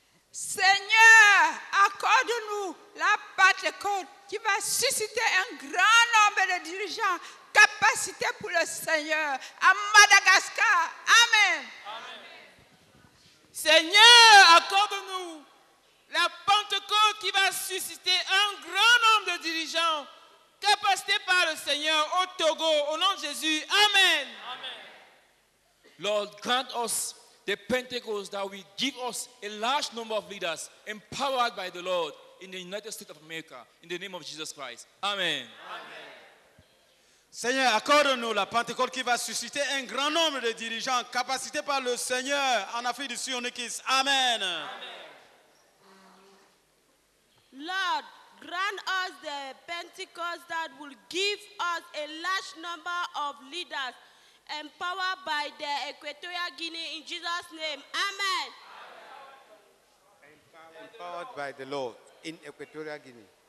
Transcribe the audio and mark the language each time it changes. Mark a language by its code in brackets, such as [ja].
[fr] Seigneur, accorde-nous la Pentecôte qui va susciter un grand nombre de dirigeants capacités pour le Seigneur à Madagascar. Amen. Amen. Seigneur, accorde-nous la Pentecôte qui va suscité un grand nombre de dirigeants capacités par le Seigneur au Togo, au nom de Jésus. Amen. Amen. [en] Lord, grant us the Pentecost that will give us a large number of leaders empowered by the Lord in the United States of America, in the name of Jesus Christ. Amen. Amen. [fr] Seigneur, accorde-nous la Pentecôte qui va susciter un grand nombre de dirigeants capacités par le Seigneur en Afrique du Sud, en Église. Amen. Amen. [en] Lord, grant us the Pentecost that will give us a large number of leaders empowered by the Equatorial Guinea in Jesus' name. Amen. Empowered by the Lord in Equatorial Guinea.